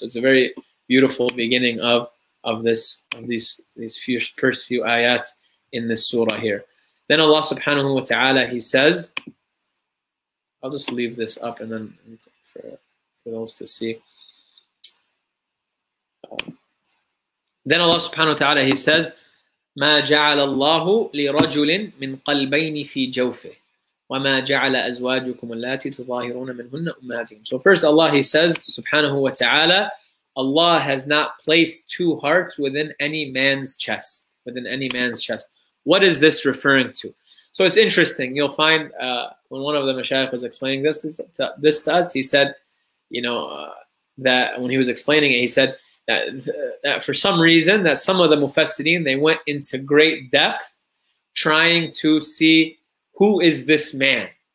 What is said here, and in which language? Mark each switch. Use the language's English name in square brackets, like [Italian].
[English] So it's a very beautiful beginning of these first few ayat in this surah here. Then Allah subhanahu wa ta'ala, he says, I'll just leave this up and then for those to see. Then Allah subhanahu wa ta'ala, he says, [Arabic] مَا جَعَلَ اللَّهُ لِرَجُلٍ مِنْ قَلْبَيْنِ فِي جَوْفِهِ. وَمَا جَعَلَ أَزْوَاجُكُمُ اللَّاتِي تُظَاهِرُونَ مِنْهُنَّ أُمَّهَاتِكُمْ. [English] So first Allah, he says, subhanahu wa ta'ala, Allah has not placed two hearts within any man's chest. Within any man's chest. What is this referring to? So it's interesting. You'll find when one of the mashayikh was explaining this to us, he said, you know, that when he was explaining it, he said that, that for some reason, that some of the mufassirin, they went into great depth trying to see who is this man?